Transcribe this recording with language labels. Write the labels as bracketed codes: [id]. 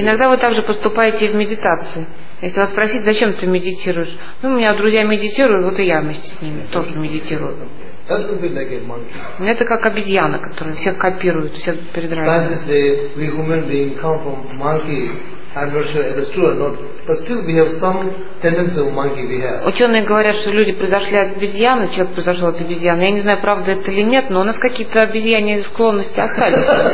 [ru] Иногда вы также поступаете в медитации. Если вас спросить, зачем ты медитируешь? Ну, у меня друзья медитируют, вот и я вместе с ними тоже медитирую. [en] That would be like a monkey. [ru] Это как обезьяна, которая всех копирует, всех передразнивает. [en] Scientists say we human beings come from monkey. I'm not sure if it's true or not, but still we have some tendency of monkey we have. [ru] Ученые говорят, что люди произошли от обезьяны, человек произошел от обезьяны. Я не знаю, правда это или нет, но у нас какие-то обезьяньи склонности остались.